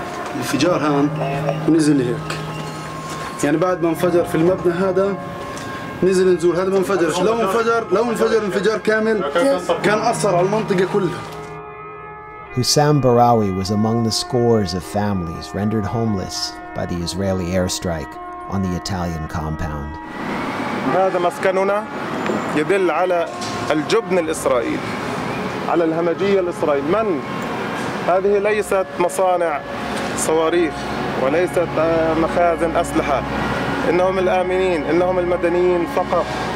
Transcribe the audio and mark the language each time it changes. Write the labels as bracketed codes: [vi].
[ar] الانفجار هان نزل هيك يعني بعد ما انفجر في المبنى هذا نزل نزول هذا ما انفجر لو انفجر انفجار كامل كان أثر على المنطقة كلها. [en] Hussam Barawi was among the scores of families rendered homeless by the Israeli airstrike on the Italian compound. [ar] هذا مسكننا يدل على الجبن الإسرائيلي على الهمجية الإسرائيلية. من هذه ليست مصانع صواريخ وليست مخازن أسلحة، إنهم الآمنين، إنهم المدنيين فقط.